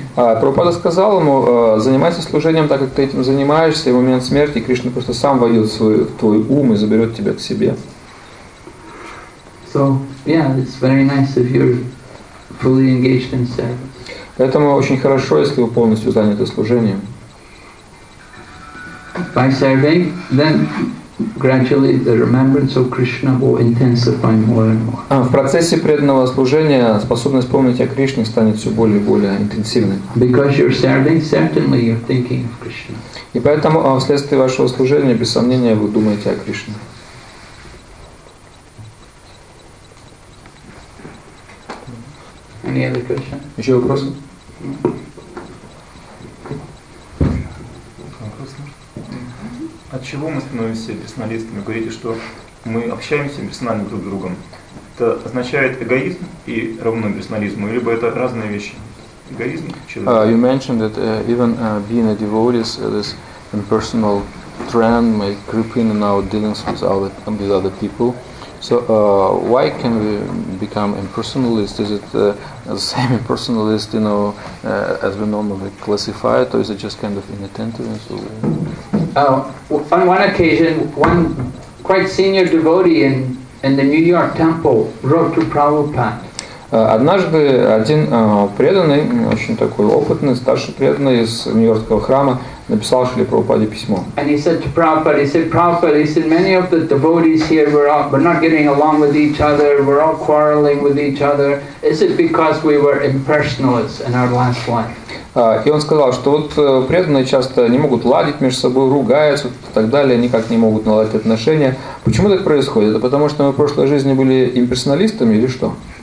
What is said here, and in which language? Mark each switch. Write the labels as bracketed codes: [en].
[ru] Прабхупада сказал ему, занимайся служением так, как ты этим занимаешься, и в момент смерти Кришна просто сам войдет в твой ум и заберет тебя к себе. [en] So, yeah, it's very nice if you're fully engaged in service. [ru] Поэтому очень хорошо, если вы полностью заняты служением. [en] By serving, then gradually the remembrance of Krishna will intensify more and more. [ru] В процессе преданного служения способность помнить о Кришне станет все более и более интенсивной. [en] Because you're serving, certainly you're thinking of Krishna. [ru] И поэтому вследствие вашего служения, без сомнения, вы думаете о Кришне. [en] Any other question? [ru] Еще вопросы? От чего мы становимся персоналистами? Говорите, что мы общаемся персонально друг с другом. Это означает эгоизм и равно персонализму, либо это разные вещи? Эгоизм человека? [en] You mentioned that even being a devotee, this impersonal trend may creep in our dealings with other people. So why can we become impersonalist? Is it the same impersonalist, you know, as we normally classify it, or is it just kind of inattentiveness? On one occasion, one quite senior devotee in the New York temple wrote to Prabhupada. [ru] Однажды один преданный, очень такой опытный, старший преданный из Нью-Йоркского храма, написал Шри Прабхупаде письмо. [en] And he said to Prabhupada, he said, many of the devotees here, we're not getting along with each other, we're all quarreling with each other. Is it because we were impersonalists in our last life? [ru] И он сказал, что вот преданные часто не могут ладить между собой, ругаются вот, и так далее, никак не могут наладить отношения. Почему так происходит? Это потому, что мы в прошлой жизни были имперсоналистами или что?